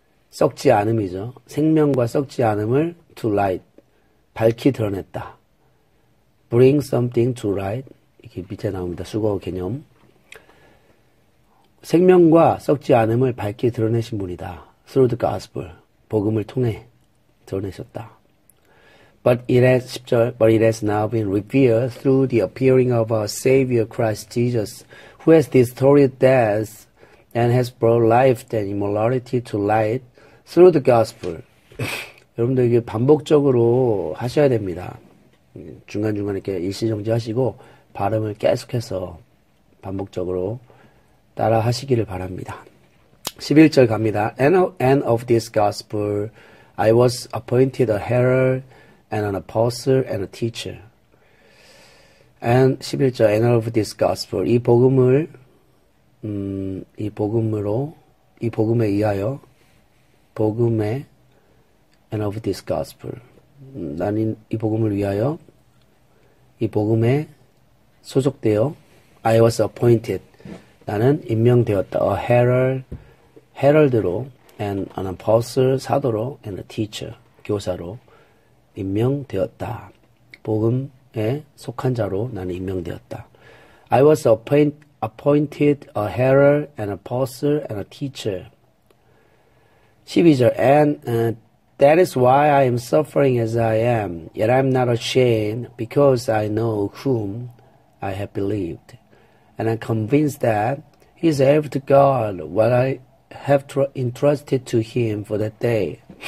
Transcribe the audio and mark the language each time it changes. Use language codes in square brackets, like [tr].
[ko] 썩지 않음이죠. 생명과 썩지 않음을 [en] to light. [ko] 밝히 드러냈다. [en] Bring something to light. [ko] 이렇게 밑에 나옵니다. 수거 개념. 생명과 썩지 않음을 밝히 드러내신 분이다. [en] Through the gospel. [ko] 복음을 통해 드러내셨다. [en] But it has now been revealed through the appearing of our Savior Christ Jesus, who has destroyed death and has brought life and immortality to light through the gospel. [ko] 여러분들 이게 반복적으로 하셔야 됩니다. 중간중간 이렇게 일시정지 하시고 발음을 계속해서 반복적으로 따라 하시기를 바랍니다. 11절 갑니다. [en] And of this gospel, I was appointed a herald and an apostle and a teacher. [ko] And 11절, [en] and of this gospel. [ko] 이 복음에 의하여, 복음에, and of this gospel. 나는 이 복음을 위하여, 이 복음에 소속되어 [en] I was appointed. [ko] 나는 임명되었다. [en] A herald, herald로 and an apostle, 사도로 and a teacher, 교사로 임명되었다. [ko] 복음에 속한 자로 나는 임명되었다. [en] I was appointed a herald, an apostle, and a teacher. 12절, and that is why I am suffering as I am, yet I am not ashamed, because I know whom I have believed, and I am convinced that he is able to guard what I have entrusted to him for that day.